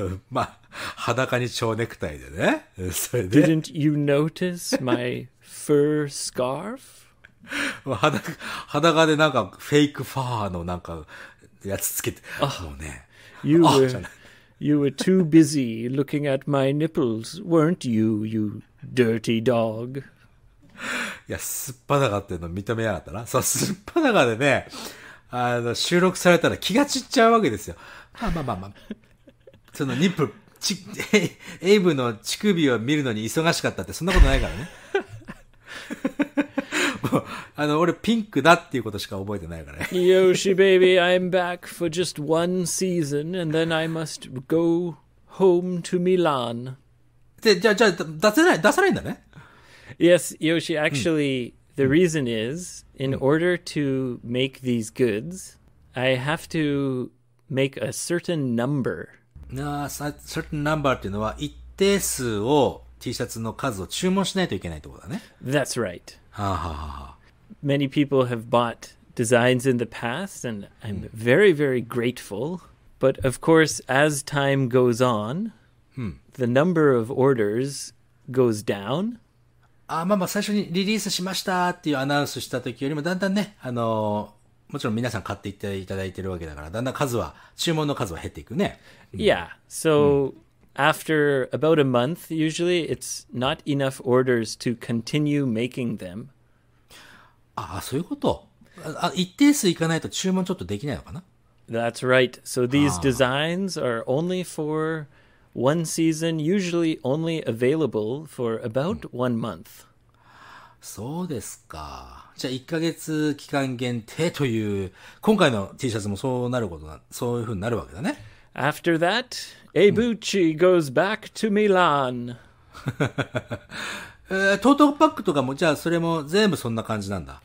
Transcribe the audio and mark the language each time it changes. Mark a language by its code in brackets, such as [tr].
[ja] まあ、裸に蝶ネクタイでね。それで。 [en] Didn't you notice my fur scarf? [ja] 裸でなんかフェイクファーのなんかやつつけて。もうね。 [en] You were too busy looking at my nipples, weren't you, you dirty dog? [ja] いや、すっぱだかっていうの認めやがったな。そう、すっぱだかでね、収録されたら気が散っちゃうわけですよ。まあ。そのニップル、エイブの乳首を見るのに忙しかったってそんなことないからね。もう、俺ピンクだっていうことしか覚えてないからね。 [en] Yoshi baby, I'm back for just one season and then I must go home to Milan. [ja] で、じゃあ、出せないんだね。 [en] Yes, Yoshi, actually,、 [ja] うん、 [en] The reason is, in order to make these goods, I have to make a certain number. A certain number [ja] っていうのは一定数を T シャツの数を注文しないといけないってことだね。 [en] That's right. [ja] はあはあはあ。 [en] Many people have bought designs in the past, and I'm very, very grateful. But of course, as time goes on, the number of orders goes down. [ja] ああまあまあ最初にリリースしましたっていうアナウンスした時よりもだんだんね、もちろん皆さん買っていただいてるわけだから、だんだん数は、注文の数は減っていくね。 [en] Yeah. So, after about a month, usually it's not enough orders to continue making them. [ja] ああ、そういうこと。一定数いかないと注文ちょっとできないのかな? [en] That's right. So these designs are only for one season, usually only available for about one month. [ja] そうですか。じゃあ1ヶ月期間限定という、今回の T シャツもそうなることな、そういうふうになるわけだね。 [en] After that, Eibuchi goes back to Milan. [ja] トートパックとかも、じゃあそれも全部そんな感じなんだ。